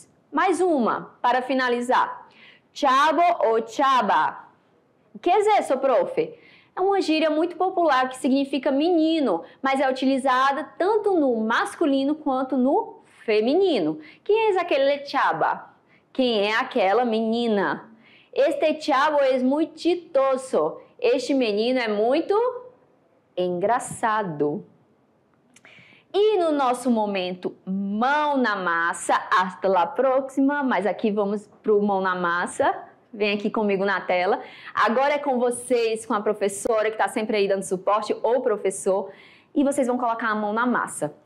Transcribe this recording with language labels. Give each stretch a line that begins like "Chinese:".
Portuguese: Mais uma, para finalizar. Chavo ou chaba? O que é isso, profe? É uma gíria muito popular que significa menino, mas é utilizada tanto no masculino quanto no feminino. Quem é aquele chaba? Quem é aquela menina?
Spanish: Este chavo es muy chistoso.
Portuguese: Este menino é muito engraçado. E no nosso momento, mão na massa.
Spanish: Hasta la próxima,
Portuguese: mas aqui vamos pro mão na massa. Vem aqui comigo na tela. Agora é com vocês, com a professora que está sempre aí dando suporte, ou professor, e vocês vão colocar a mão na massa.